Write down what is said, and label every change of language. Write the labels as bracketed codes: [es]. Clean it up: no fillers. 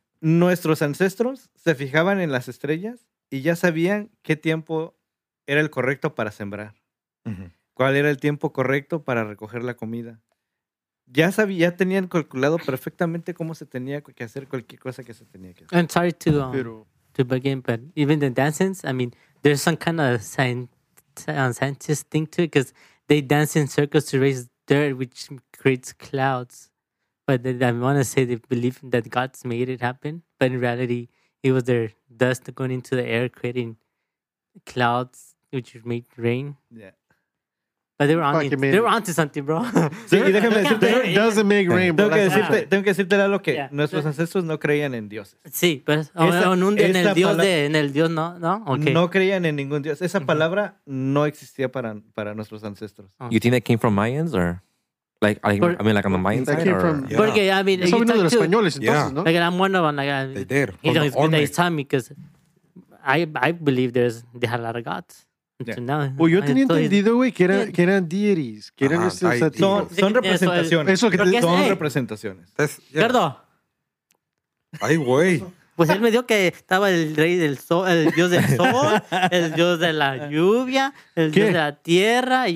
[es] Nuestros ancestros se fijaban en las estrellas y ya sabían qué tiempo era el correcto para sembrar. Uh-huh. ¿Cuál era el tiempo correcto para recoger la comida? Ya tenían calculado perfectamente cómo se tenía que hacer cualquier cosa que se tenía que hacer. [en] I'm sorry to begin, but even the dancers, I mean, there's some kind of scientist thing to it, because they dance in circles to raise dirt, which creates clouds. But I want to say they believe that God's made it happen, but in reality, it was their dust going into the air, creating clouds, which made rain. Yeah. But they were onto something, bro. [es] Sí, y déjame decirte, [en] doesn't make rain. [es] Tengo que decirte, algo que nuestros ancestros no creían en dioses. Sí, pues en el dios, ¿no? Okay. No creían en ningún dios. Esa palabra no existía para nuestros ancestros. [en] Okay. You think that came from Mayans or like on the Mayan side? Porque I mean, [es] eso vino de los españoles entonces, [en] yeah. [es] ¿No? [en] Like, I'm one of them, like, they did. They did. They did. Because I believe they had a lot of gods. Yeah. [es] Well, yo tenía entendido, güey, que eran deities, que eran estos deities. Son representaciones. Representaciones. Gerdo. Ay, güey. Pues él me dijo que estaba el rey del sol, el dios del sol, el dios de la lluvia, el dios de la tierra.